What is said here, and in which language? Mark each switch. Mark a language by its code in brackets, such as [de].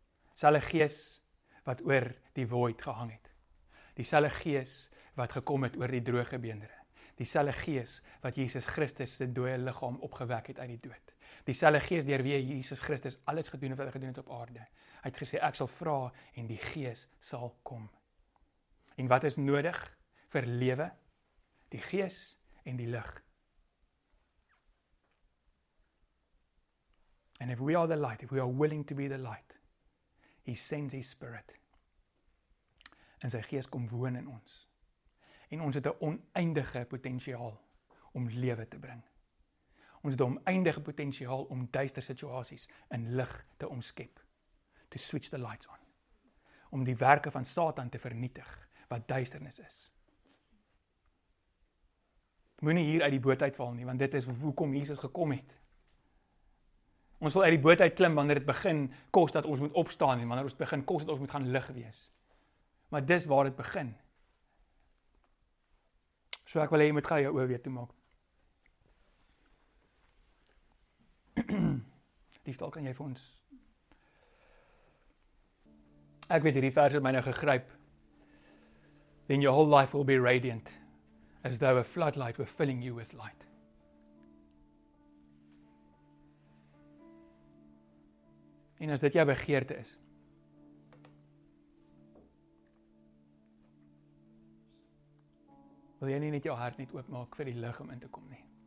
[af] Dieselfde Gees wat oor die void gehang het. Dieselfde Gees wat gekom het oor die droge beenderen. Dieselfde Gees wat Jesus Christus se dooie liggaam opgewek het uit die dood. Dieselfde Gees deur wie Jesus Christus alles gedoen het wat hy gedoen het op aarde. Hy het gesê, ek sal vra en die Gees sal kom. En wat is nodig? Vir lewe, die gees en die lig. [en] And if we are the light, if we are willing to be the light, he sends his spirit. [af] En sy gees kom woon in ons. En ons het 'n oneindige potensiaal om lewe te bring. Ons het 'n oneindige potensiaal om duister situasies in lig te omskep. [en] To switch the lights on. [af] Om die werke van Satan te vernietig wat duisternis is. Moenie hier uit die boot uitval nie, want dit is hoekom Jesus gekom het. Ons wil uit die boot uit klim wanneer dit begin kos dat ons moet opstaan en wanneer ons begin kos dat ons moet gaan lig wees. Maar dis waar dit begin. So ek wil hê jy moet gaan jou oë weer toemaak. Liefdal, kan jy vir ons? Ek weet hierdie vers het my nou gegryp. [en] Then your whole life will be radiant. As though a floodlight were filling you with light. [af] En as dit jou begeerte is, wil jy nie net jou hart net oopmaak vir die lig om in te kom nie.